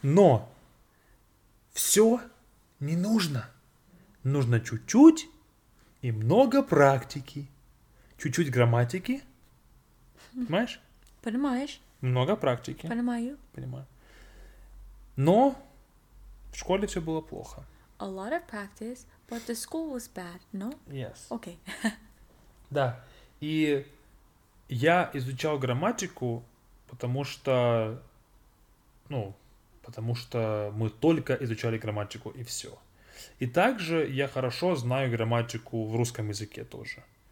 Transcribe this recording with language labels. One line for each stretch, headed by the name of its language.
Russian: Но все не нужно. Нужно чуть-чуть и много практики. Чуть-чуть грамматики. Понимаешь? Понимаешь. Много практики. Понимаю. Понимаю. Но в школе все было плохо.
English: A lot of practice, but the school was bad, no? Yes. Okay.
Russian: Да. И я изучал грамматику, потому что мы только изучали грамматику, и все. И также я хорошо знаю грамматику в русском языке тоже.